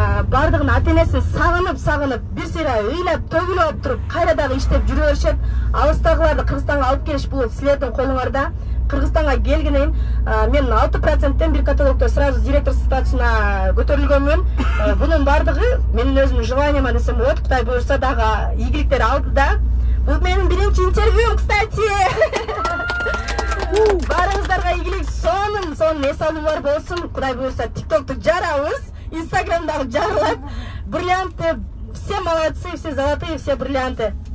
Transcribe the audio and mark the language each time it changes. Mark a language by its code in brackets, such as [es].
[ky] Баардыгын ата энесин сагынып сагынып, бир сыйра ыйлап төгүлөп туруп кайра дагы иштеп жүрө беришет. Алыстагыларды кыргызстанга алып келиш бул силердин колуңарда. Кыргызстанга келгенден мен 6%тен бир каталогто сразу директор статусуна көтөрүлгөнмүн. Бунун баардыгы менин өзүмдүн желаниема десем болот. Кудай буюрса дагы ийгиликтер алдыда. Бул менин биринчи интервьюм, кстати. Баарыңыздарга ийгилик, сонун эс алуулар болсун. Кудай буюрса тиктокту жарабыз, инстаграм дагы жарылат. [ru] Бриллианты, все молодцы, все золотые, все бриллианты.